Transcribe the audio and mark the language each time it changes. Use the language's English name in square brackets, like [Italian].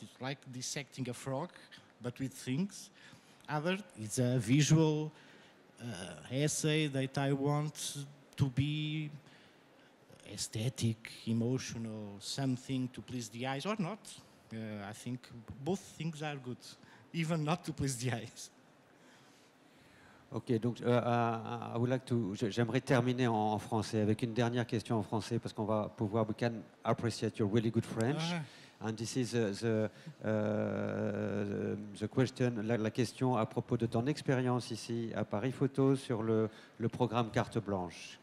[English] It's like dissecting a frog, but with things. Other is a visual essay that I want to be aesthetic, emotional, something to please the eyes or not. I think both things are good, even not to please the eyes. Okay, donc I would like to. [French] J'aimerais terminer en français avec une dernière question en français parce qu'on va pouvoir. [English] We can appreciate your really good French, and this is the question. [French] La question à propos de ton expérience ici à Paris Photo sur le programme Carte Blanche.